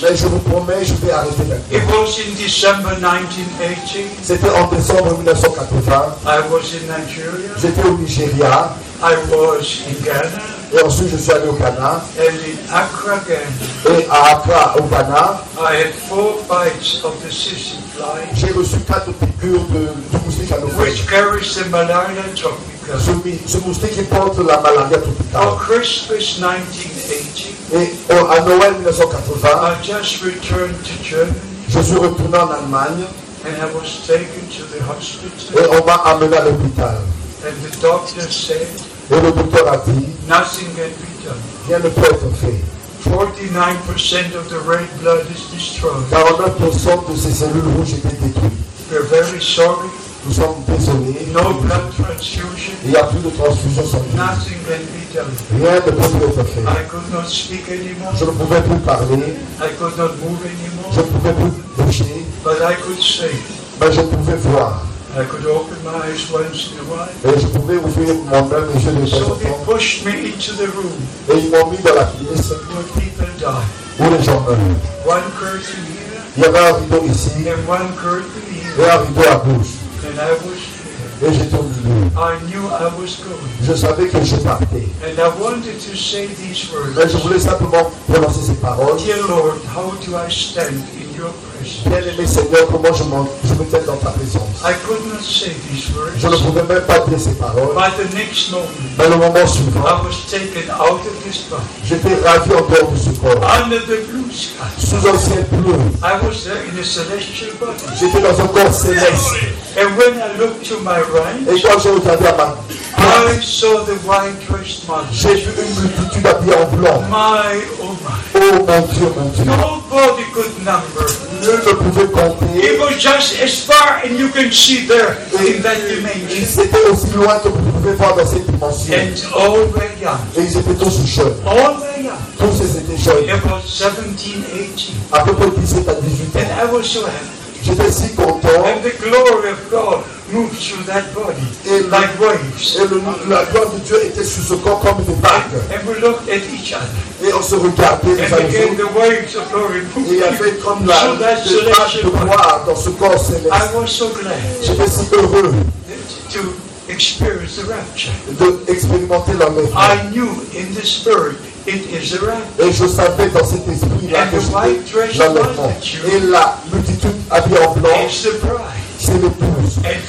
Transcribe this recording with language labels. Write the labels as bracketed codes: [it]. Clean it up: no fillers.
[fr] Mais je vous promets, je vais arrêter maintenant. [en] It was in December 1980. [fr] C'était en décembre 1980. [en] I was in Nigeria. [fr] J'étais au Nigeria. [en] I was in Ghana. [fr] Et ensuite, je suis allé au Ghana. [en] And in Accra, Ghana. [fr] Et à Accra, au Ghana. [en] I had four bites of the sissy fly. [fr] J'ai reçu quatre piqûres de moustique à l'eau. [en] Which carries the malaria tropical. [fr] Ce moustique porte la malaria tropicale. [en] On Christmas 1980, [fr] et à Noël 1980, [en] I just returned to Germany, [fr] je suis retourné en Allemagne, [en] and I was taken to the hospital, [fr] et on m'a amené à l'hôpital. [en] And the doctor said, [fr] et le docteur a dit, [en] nothing can be done. [fr] Rien ne peut être fait. [en] 49% of the red blood is destroyed. [fr] 49% de ces cellules rouges étaient détruites. [en] We're very sorry. [fr] Nous sommes désolés. [en] No blood transfusion. [fr] Il n'y a plus de transfusion sanguine. [en] Nothing can be done. [fr] Rien ne peut plus être fait. [en] I could not speak anymore. [fr] Je ne pouvais plus parler. [en] I could not move anymore. [fr] Je ne pouvais plus bouger. [en] But I could see. [fr] Mais je pouvais voir. [en] I could open my eyes once in a while. [fr] Et je pouvais ouvrir mon œil et je les [en] ai pushed me into the room. [fr] Et ils m'ont mis dans la pièce. [en] Where people die. [fr] Où les gens meurent. [en] One curtain here. [fr] Il y avait un rideau ici. [en] And one curtain here. [fr] Et un rideau à gauche. [en] And I was [fr] et j'étais au milieu. [en] I knew I was going. [fr] Je savais que je partais. [en] And I wanted to say these words. [fr] Mais je voulais simplement prononcer ces paroles. [en] Dear Lord, how do I stand in your presence? [fr] Bien-aimé Seigneur, comment je me tiens dans ta présence? [en] I could not say these words. [fr] Je ne pouvais même pas dire ces paroles. [en] By the next moment, [fr] mais le moment suivant, [en] I was taken out of this body. [fr] J'étais ravi en dehors de ce corps. [en] Under the blue sky. [fr] Sous un ciel bleu. [en] I was there in a celestial body. [fr] J'étais dans un corps céleste. [en] And when I looked to my right, [fr] et quand je [en] I saw the white-dressed man. [fr] J'ai vu une multitude habillée en blanc. [en] My, oh my. [fr] Oh mon Dieu, mon Dieu. [en] Nobody could number. [fr] Nul ne pouvait compter. [en] It was just as far as you can see there in that dimension. [fr] Et c'était aussi loin que vous pouvez voir dans cette dimension. [en] And all very young. [fr] Et ils étaient tous jeunes. [en] All very young. [fr] Tous ils étaient jeunes. [en] About 17, 18. [fr] À peu près 17 à 18 ans. [en] And I was so happy. [fr] J'étais si content. [en] And the glory of God moved through that body. [fr] Et [en] like waves. [fr] Et la gloire de Dieu était sur ce corps comme des vagues. [en] And we looked at each other. [fr] Et on se regardait les uns les autres. Et il y avait comme la vague de gloire dans ce corps céleste. [en] I was so glad. [fr] J'étais si heureux. [en] To experience the rapture. [fr] De expérimenter la mort. [en] I knew in the spirit. It is a rapture. [fr] Et je savais dans cet esprit-là [en] and [fr] que j'étais dans l'enfant. Et la multitude habillée en blanc, c'est l'épouse.